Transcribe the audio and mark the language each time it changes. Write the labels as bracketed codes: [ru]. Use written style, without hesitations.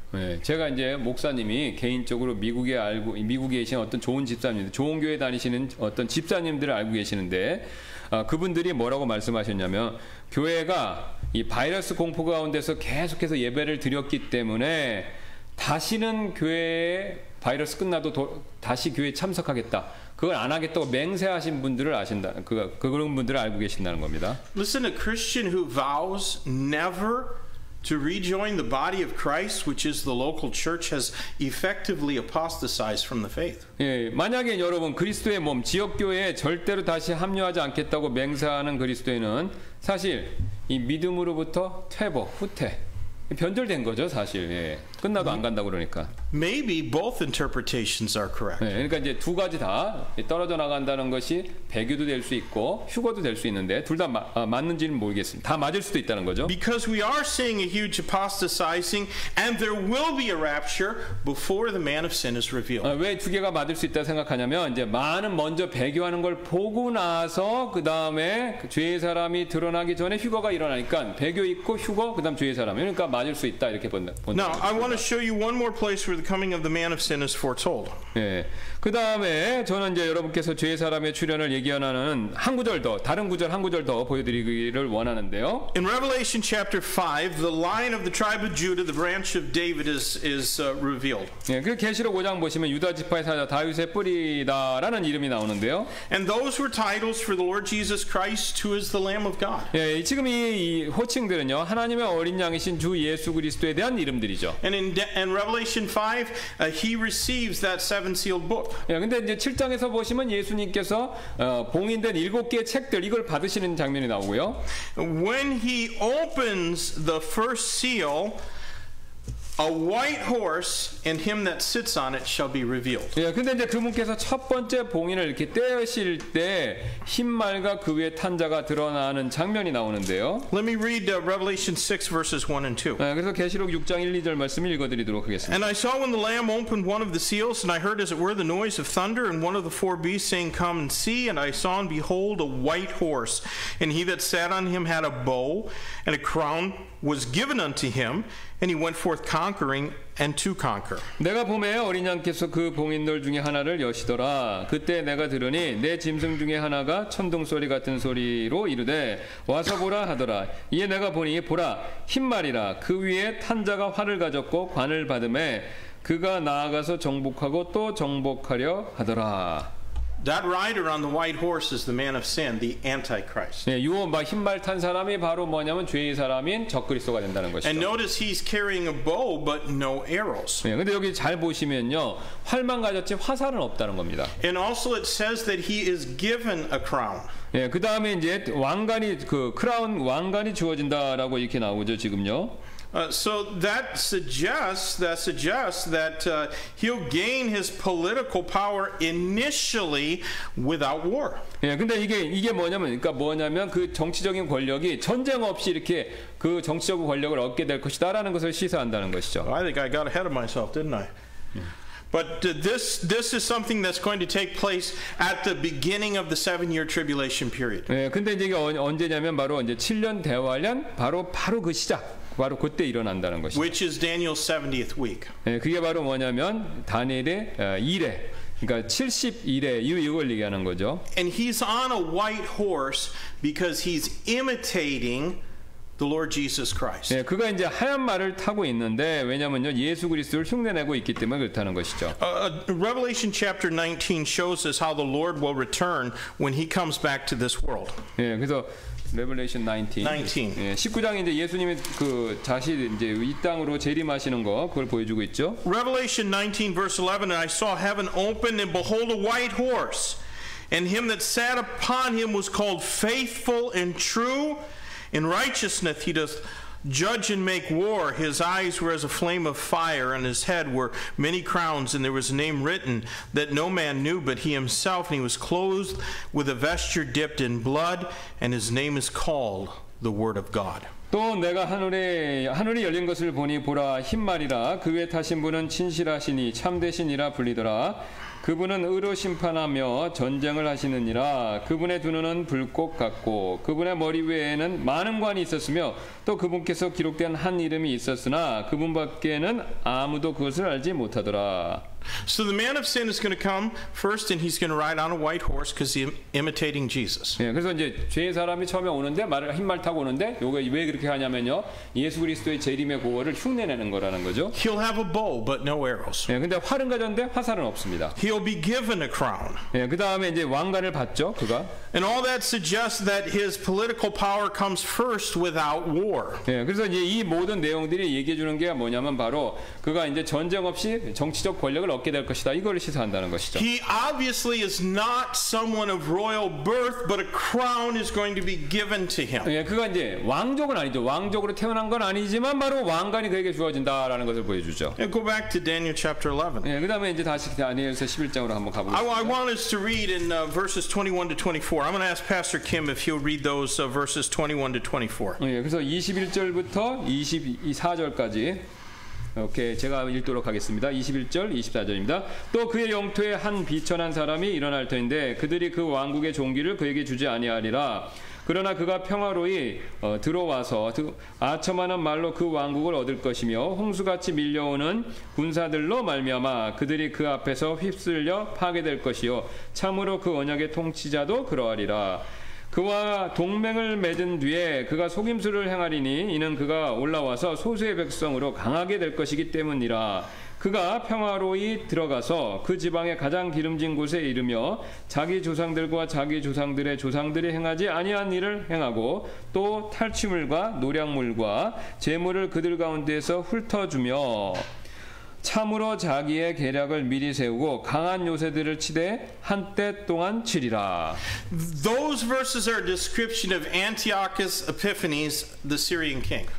[ko] 네, 제가 이제 목사님이 개인적으로 미국에 알고 미국에 계신 어떤 좋은 집사님, 좋은 교회 다니시는 어떤 집사님들을 알고 계시는데 그분들이 뭐라고 말씀하셨냐면 교회가 이 바이러스 공포 가운데서 계속해서 예배를 드렸기 때문에 다시는 교회에 바이러스 끝나도 다시 교회에 참석하겠다. 그걸 안 하겠다고 맹세하신 분들을 아신다. 그런 분들을 알고 계신다는 겁니다. [en] Listen, a Christian who vows never to rejoin the body of Christ, which is the local church, has effectively apostatized from the faith. [ko] 예, 만약에 여러분 그리스도의 몸, 지역교회에 절대로 다시 합류하지 않겠다고 맹세하는 그리스도인은 사실 이 믿음으로부터 퇴보, 후퇴. 변절된 거죠, 사실. 예. 끝나도 안 간다 그러니까. [en] Maybe both interpretations are correct. [ko] 네, 그러니까 이제 두 가지 다 떨어져 나간다는 것이 배교도 될 수 있고 휴거도 될 수 있는데 둘 다 맞는지는 모르겠습니다. 다 맞을 수도 있다는 거죠. [en] Because we are seeing a huge apostatizing and there will be a rapture before the man of sin is revealed. [ko] 왜 두 개가 맞을 수 있다 생각하냐면 이제 많은 먼저 배교하는 걸 보고 나서 그다음에 죄의 사람이 드러나기 전에 휴거가 일어나니까 배교 있고 휴거 그다음 죄의 사람. 그러니까 맞을 수 있다 이렇게 본다. [en] Now, I want to show you one more place where the coming of the man of sin is foretold. [ko] 예. 그다음에 저는 이제 여러분께서 죄의 사람의 출현을 예견하는 한 구절 더 다른 구절 한 구절 더 보여드리기를 원하는데요. [en] In Revelation chapter 5, the line of the tribe of Judah, the branch of David is revealed. [ko] 예. 그 계시록 5장 보시면 유다 지파의 사자 다윗의 뿌리다라는 이름이 나오는데요. [en] And those were titles for the Lord Jesus Christ who is the Lamb of God. [ko] 예. 지금 이 호칭들은요. 하나님의 어린 양이신 주 예수 그리스도에 대한 이름들이죠. [en] And in Revelation 5, he receives that seven sealed book. [ko] 예, 근데 이제 7장에서 보시면 예수님께서 봉인된 일곱 개의 책들 이걸 받으시는 장면이 나오고요. [en] When he opens the first seal, a white horse and him that sits on it shall be revealed. [ko] 예, 근데 이제 그분께서 첫 번째 봉인을 이렇게 떼실 때 흰 말과 그 위에 탄 자가 드러나는 장면이 나오는데요. [en] Let me read Revelation 6 verses 1 and 2. [ko] 예, 그래서 계시록 6장 1, 2절 말씀을 읽어 드리도록 하겠습니다. [en] And I saw when the lamb opened one of the seals and I heard as it were the noise of thunder and one of the four beasts saying come and see and I saw and behold a white horse and he that sat on him had a bow and a crown was given unto him and he went forth conquering and to conquer. [ko] 내가 보매 어린 양께서 그 봉인들 중에 하나를 여시더라. 그때 내가 들으니 내 짐승 중에 하나가 천둥 소리 같은 소리로 이르되 와서 보라 하더라. 이에 내가 보니 보라 흰 말이라 그 위에 탄 자가 활을 가졌고 관을 받음에 그가 나아가서 정복하고 또 정복하려 하더라. [en] That rider on the white horse is the man of sin, the Antichrist. [ko] 네, 요 막 흰말 탄 사람이 바로 뭐냐면 죄의 사람인 적그리스도가 된다는 것이죠. [en] And notice he's carrying a bow, but no arrows. [ko] 네, 근데 여기 잘 보시면요, 활만 가졌지 화살은 없다는 겁니다. [en] And also it says that he is given a crown. [ko] 네, 그 다음에 이제 왕관이 그 크라운 왕관이 주어진다라고 이렇게 나오죠 지금요. [en] So that suggests that he'll gain his political power initially without war. [ko] 예, 근데 이게 뭐냐면, 그러니까 뭐냐면 그 정치적인 권력이 전쟁 없이 이렇게 그 정치적 권력을 얻게 될 것이다라는 것을 시사한다는 것이죠. [en] I think I got ahead of myself, didn't I? But this is something that's going to take place at the beginning of the seven-year tribulation period. [ko] 예, 근데 이게 언제냐면 바로 이제 7년 대환란 바로 그 시작. 바로 그때 일어난다는 것이죠. [en] Which is Daniel's 70th week. [ko] 예, 그게 바로 뭐냐면 다니엘의 2회, 그러니까 70회 이걸 얘기하는 거죠. [en] And he's on a white horse because he's imitating the Lord Jesus Christ. [ko] 예, 그가 이제 하얀 말을 타고 있는데 왜냐면요 예수 그리스도를 흉내내고 있기 때문에 그렇다는 것이죠. [en] Revelation chapter 19 shows us how the Lord will return when he comes back to this world. [ko] 예, 그래서 Revelation 19. 예, 19장 이제 예수님이 그 다시 이제 이 땅으로 재림하시는 거 그걸 보여주고 있죠. [en] Revelation 19 verse 11 and I saw heaven open and behold a white horse and him that sat upon him was called faithful and true in righteousness he doth judge and make war his eyes were as a flame of fire and his head were many crowns and there was a name written that no man knew but he himself and he was clothed with a vesture dipped in blood and his name is called the word of God. [ko] 또 내가 하늘이 열린 것을 보니 보라 흰 말이라 그 위에 타신 분은 진실하시니 참되시니라 불리더라. 그분은 의로 심판하며 전쟁을 하시느니라 그분의 두 눈은 불꽃 같고 그분의 머리 위에는 많은 관이 있었으며 또 그분께서 기록된 한 이름이 있었으나 그분밖에는 아무도 그것을 알지 못하더라. [en] So the man of sin is going to come first and he's going to ride on a white horse because he's imitating Jesus. [ko] 예, 그래서 이제 죄의 사람이 처음에 오는데 말을 흰말 타고 오는데 요게 왜 그렇게 하냐면요. 예수 그리스도의 재림의 고거를 흉내내는 거라는 거죠. [en] He'll have a bow but no arrows. [ko] 예, 근데 활은 가졌는데 화살은 없습니다. [en] He'll be given a crown. [ko] 예, 그다음에 이제 왕관을 받죠, 그가. [en] And all that suggests that his political power comes first without war. [ko] 예, 그래서 이제 이 모든 내용들이 얘기해 주는 게 뭐냐면 바로 그가 이제 전쟁 없이 정치적 권력을 축복을 얻게 될 것이다. 이걸 시사한다는 것이죠. [en] He obviously is not someone of royal birth, but a crown is going to be given to him. [ko] 예, 그가 이제 왕족은 아니죠. 왕족으로 태어난 건 아니지만 바로 왕관이 그에게 주어진다라는 것을 보여주죠. [en] And go back to Daniel chapter 11. [ko] 예, 그다음에 이제 다시 다니엘서 11장으로 한번 가보겠습니다. [en] I want us to read in verses 21 to 24. I'm going to ask Pastor Kim if he'll read those verses 21 to 24. [ko] 예, 그래서 21절부터 24절까지 오케이 제가 읽도록 하겠습니다. 21절 24절입니다. 또 그의 영토에 한 비천한 사람이 일어날 텐데 그들이 그 왕국의 종기를 그에게 주지 아니하리라. 그러나 그가 평화로이 들어와서 아첨하는 말로 그 왕국을 얻을 것이며 홍수같이 밀려오는 군사들로 말미암아 그들이 그 앞에서 휩쓸려 파괴될 것이요 참으로 그 언약의 통치자도 그러하리라. 그와 동맹을 맺은 뒤에 그가 속임수를 행하리니 이는 그가 올라와서 소수의 백성으로 강하게 될 것이기 때문이라. 그가 평화로이 들어가서 그 지방의 가장 기름진 곳에 이르며 자기 조상들과 자기 조상들의 조상들이 행하지 아니한 일을 행하고 또 탈취물과 노량물과 재물을 그들 가운데에서 훑어주며 참으로 자기의 계략을 미리 세우고 강한 요새들을 치되 한때 동안 치리라. [en] Those verses are a description of Antiochus Epiphanes, the Syrian king.